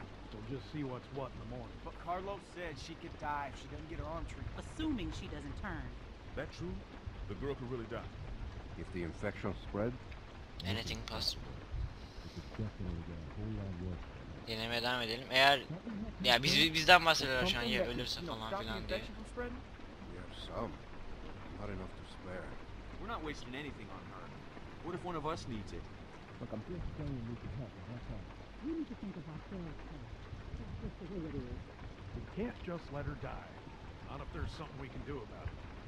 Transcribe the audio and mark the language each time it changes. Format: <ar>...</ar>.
<en>We'll just see what's what in the morning. But Carlos said she could die if she doesn't get her arm treated. Assuming she doesn't turn. That true? The girl could really die. If the infection spread? Anything possible. This is definitely gonna hold on worse.</en> <tr>Denemeye devam edelim. Eğer ya bizden bahsediyorlar şu an ya ölürse falan filan diye.</tr> <en>We have some, not enough to spare. We're not wasting anything on her. What if one of us needs it? Look, I'm just saying we need to help. That's all. We need to think of ourselves. We can't just let her die. Not if there's something we can do about it.</en>